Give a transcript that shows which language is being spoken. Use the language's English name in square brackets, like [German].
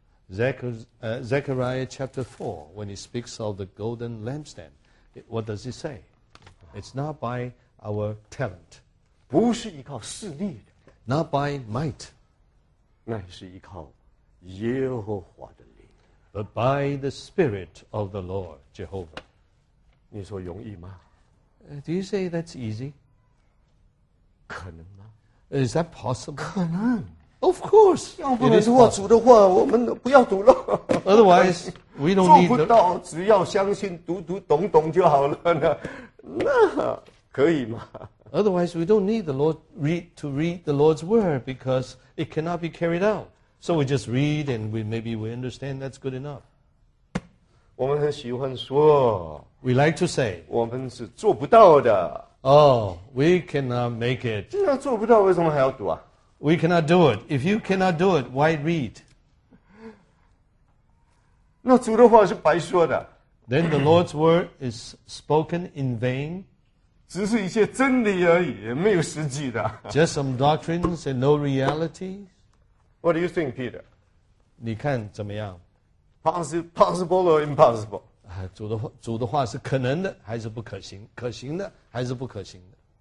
[English] Zechariah chapter 4, when he speaks of the golden lampstand, what does he say? It's not by our talent. [Chinese] 不是依靠势力的。 [English] Not by might. [Chinese] 乃是依靠耶和华的灵。 [English] But by the spirit of the Lord, Jehovah. [Chinese] 你说容易吗？ [English] Do you say that's easy? [Chinese] 可能吗? [English] Is that possible? [Chinese] 可能。 [English] Of course. [Chinese] 要不能做主的话，我们不要读了。 [English] Otherwise, we don't need. [Chinese] 做不到，只要相信，读读懂懂就好了呢。那可以吗? [English] Otherwise, we don't need the Lord to read the Lord's word because it cannot be carried out. So we just read and maybe we understand that's good enough. [Chinese] 我们很喜欢说。 [English] We like to say, [Chinese] 我们是做不到的。 [English] Oh, we cannot make it. [Chinese] 既然做不到，为什么还要读啊? [English] We cannot do it. If you cannot do it, why read? [Chinese] 那主的话是白说的。 [English] Then the Lord's word is spoken in vain. [Chinese] 只是一些真理而已，没有实际的。 [English] Just some doctrines and no reality. What do you think, Peter? [Chinese] 你看怎么样? [English] Possible or impossible? [Chinese] 主的话是可能的还是不可行？可行的还是不可行的